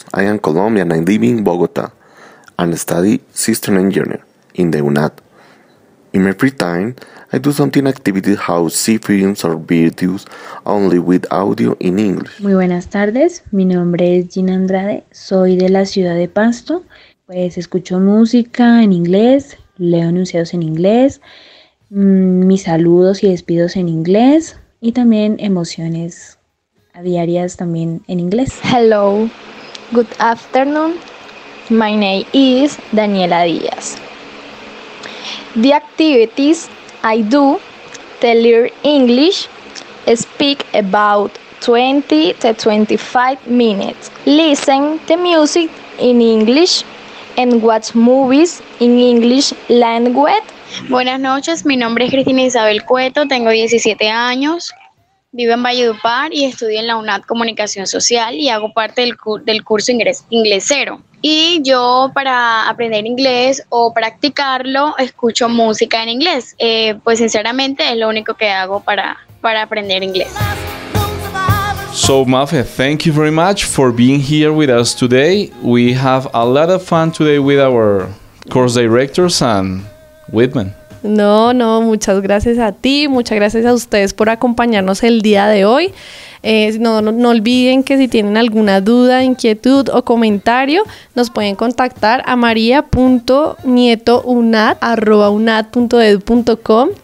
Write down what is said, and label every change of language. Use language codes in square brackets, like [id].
[en] I am Colombian. I live in Bogota and study system engineer in the UNAD. In my free time, I do something activity how see films or videos only with audio in English. [es] Muy buenas tardes, mi nombre es Gina Andrade, soy de la ciudad de Pasto. Pues escucho música en inglés, leo enunciados en inglés, mis saludos y despidos en inglés y también emociones a diarias también en inglés. [en] Hello, good afternoon, my name is Daniela Díaz. The activities I do to learn English speak about 20 to 25 minutes. Listen to music in English and watch movies in English language. [es] Buenas noches, mi nombre es Cristina Isabel Cueto, tengo 17 años, vivo en Valledupar y estudio en la UNAD Comunicación Social y hago parte del curso inglesero. Y yo para aprender inglés o practicarlo, escucho música en inglés. Pues sinceramente es lo único que hago para aprender inglés. [en] So Mafe, thank you very much for being here with us today. We have a lot of fun today with our course director, Sam Whitman. [es] No, muchas gracias a ti, muchas gracias a ustedes por acompañarnos el día de hoy. No olviden que si tienen alguna duda, inquietud o comentario, nos pueden contactar a maria.nietounat@unad.edu.com.